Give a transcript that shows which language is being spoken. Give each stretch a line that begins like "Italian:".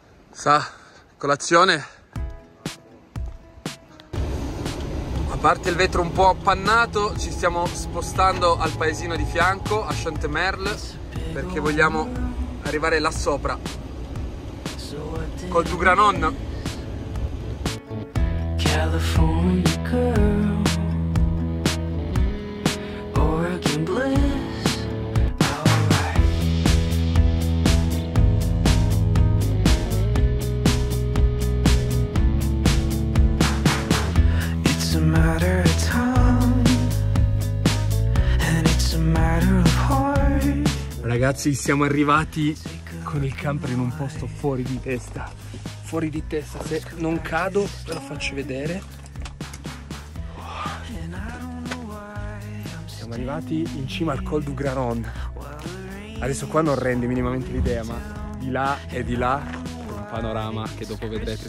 Italian: Sa, colazione? A parte il vetro un po' appannato, ci stiamo spostando al paesino di fianco, a Chantemerle, perché vogliamo arrivare là sopra. Col tuo granonno.
English: California girl, Oregon bliss, alright. It's a matter of time, and it's a matter of heart.
Italian: Ragazzi, siamo arrivati con il camper in un posto fuori di testa. Fuori di testa, se non cado ve la faccio vedere. Siamo arrivati in cima al Col du Granon. Adesso qua non rende minimamente l'idea, ma di là e di là un panorama che dopo vedrete.